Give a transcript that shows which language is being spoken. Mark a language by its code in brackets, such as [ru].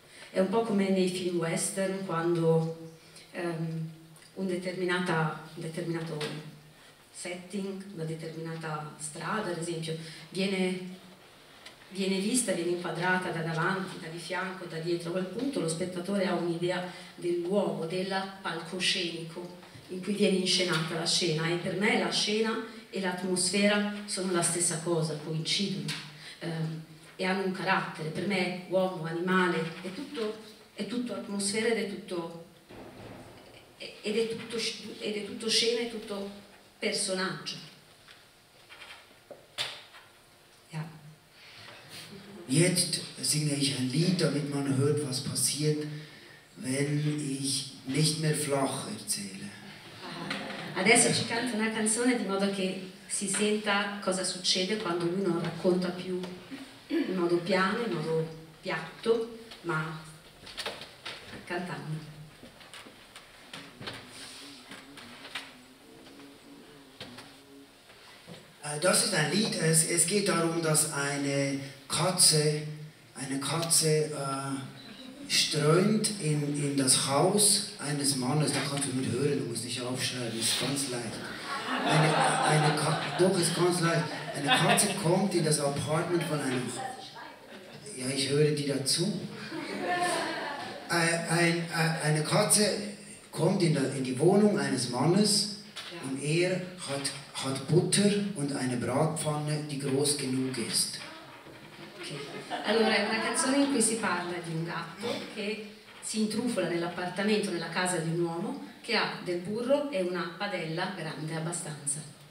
[it] È un po' come nei film western, quando un determinato setting, una determinata strada, ad esempio, viene vista, viene inquadrata da davanti, da di fianco, da dietro. A quel punto lo spettatore ha un'idea del luogo, del palcoscenico in cui viene inscenata la scena, e per me la scena e l'atmosfera sono la stessa cosa, coincidono e hanno un carattere. Per me uomo, animale, è tutto atmosfera ed è tutto scena e tutto personaggio. [de] Jetzt singe ich ein Lied, damit man hört, was passiert, wenn ich nicht mehr flach erzähle. [it] Adesso ci canta una canzone di modo che si senta cosa succede quando lui non racconta più in modo piano, in modo piatto, ma cantando. [de] Das ist ein Lied, es geht darum, dass eine Katze strömt in das Haus eines Mannes. Da kannst du mit hören, du musst nicht aufschreiben, ist ganz leicht. Ist ganz leicht. Eine Katze kommt in das Apartment von einem... Ja, ich höre die dazu. Eine Katze kommt in die Wohnung eines Mannes und er hat Butter und eine Bratpfanne, die groß genug ist. [it] Allora, è una canzone in cui si parla di un gatto che si intrufola nell'appartamento, nella casa di un uomo, che ha del burro e una padella grande abbastanza.